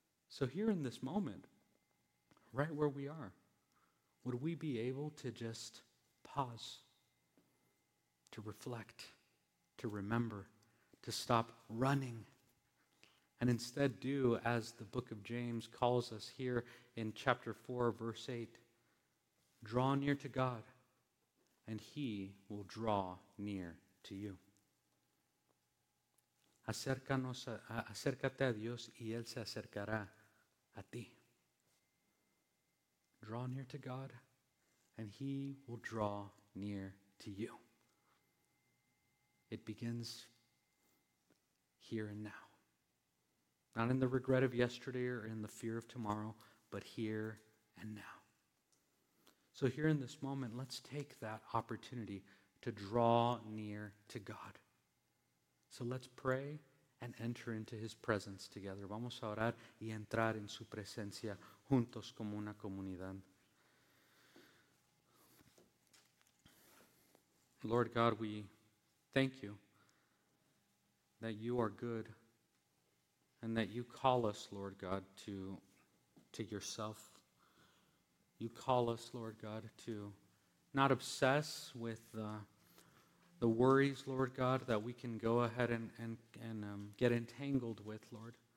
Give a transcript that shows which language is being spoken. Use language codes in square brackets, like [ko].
[en] So here in this moment, right where we are, would we be able to just pause, to reflect, to remember, to stop running, and instead do as the book of James calls us here in chapter 4, verse 8, draw near to God, and he will draw near to you. [es] Acércate a Dios y él se acercará a ti. [en] Draw near to God, and he will draw near to you. It begins here and now. Not in the regret of yesterday or in the fear of tomorrow, but here and now. So here in this moment, let's take that opportunity to draw near to God. So let's pray and enter into his presence together. [es] Vamos a orar y entrar en su presencia juntos como una comunidad. [en] Lord God, we thank you that you are good and that you call us, Lord God, to yourself. You call us, Lord God, to not obsess with the worries, Lord God, that we can go ahead and get entangled with, Lord.